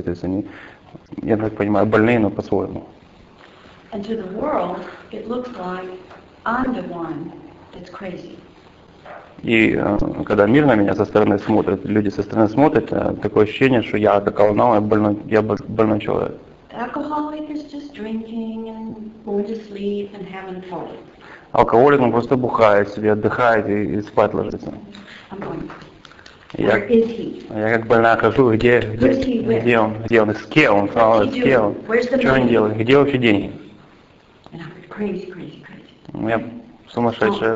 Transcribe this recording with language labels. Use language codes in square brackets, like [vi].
[ru] То есть они, я так понимаю, больные, но по-своему. [en] And to the world, it looks like I'm the one that's crazy. [ru] И когда мир на меня со стороны смотрит, люди со стороны смотрят, такое ощущение, что я доколонал, я больной человек. [en] Alcoholic is just drinking and going to sleep and having a party. [ru] Алкоголик, он просто бухает себе, отдыхает и спать ложится. [en] I'm going. Where is he? [ru] Я как больная хожу, где он, с кем он, что он делает, где вообще деньги? [en] And I'm crazy. [ru] Я сумасшедшая.